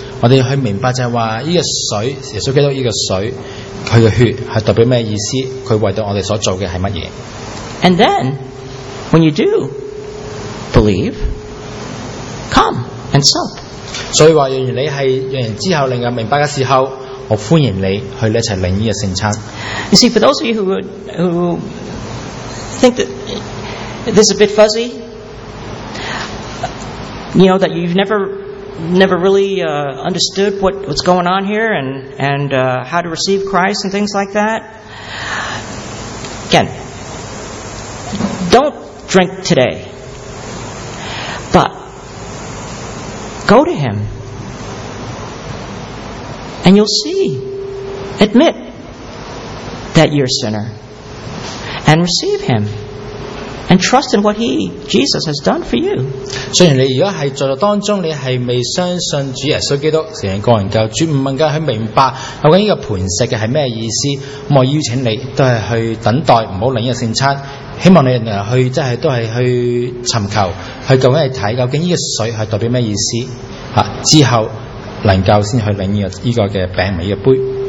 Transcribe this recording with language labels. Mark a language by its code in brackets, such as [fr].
[zh] 我们去明白就是说这个水，耶稣基督这个水，他的血是代表什么意思，他为到我们所做的是什么。 [en] And then, when you do believe, come and sup. [zh] 所以说若然你是若然之后令人明白的时候，我欢迎你去一起领这个圣餐。 [en] You see, for those of you who think that this is a bit fuzzy,you know, that you've never really understood what's going on here and how to receive Christ and things like that. Again, don't drink today. But go to him. And you'll see. Admit that you're a sinner. And receive him. and trust in what He, Jesus, has done for you. [zh] 虽然你如果在座当中你是未相信主耶稣基督成人个人教主不能够去明白究竟这个盘石是什么意思，我邀请你都是去等待，不要领一个圣餐，希望你去寻求去究竟是看究竟这个水是代表什么意思，之后能够才去领这个饼和这个杯。